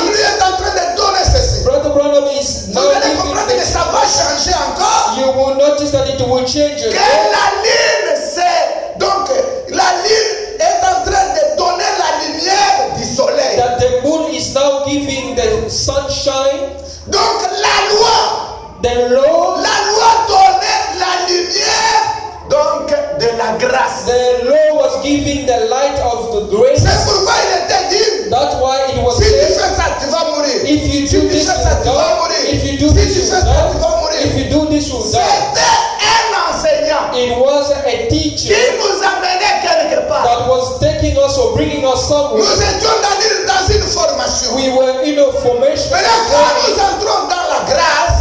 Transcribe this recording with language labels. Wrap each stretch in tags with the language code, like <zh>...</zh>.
<fr>Frère Branham est en train de donner ceci.</fr> <en>Brother Branham is now giving this.</en> <fr>Vous allez comprendre que ça va changer encore.</fr> <en>You will notice that it will change.</en> <fr>Que la lune c'est donc la lune est en train de donner la lumière du soleil.</fr> <en>That the moon is now giving the sunshine.</en> <fr>Donc la loi.</fr> <en>The law.</en> <fr>La loi donnait la lumière. Donc de la grâce.</fr> <en>The law was giving the light of the grace.</en> <fr>C'est pourquoi il était dit.</fr> <en>That's why it was</en> <fr>said. Si tu fais ça, tu vas mourir.</fr> <en>If you do this, you will die. If you do this, you will die. If you do this, you will die.</en> <fr>C'était un enseignant.</fr> <en>It was a teacher.</en> <fr>Qui nous amenait quelque part.</fr> <en>That was taking us or bringing us somewhere.</en> <fr>Nous étions dans une formation.</fr> <en>We were in a formation.</en> <fr>Mais là, quand nous entrons dans la grâce.</fr>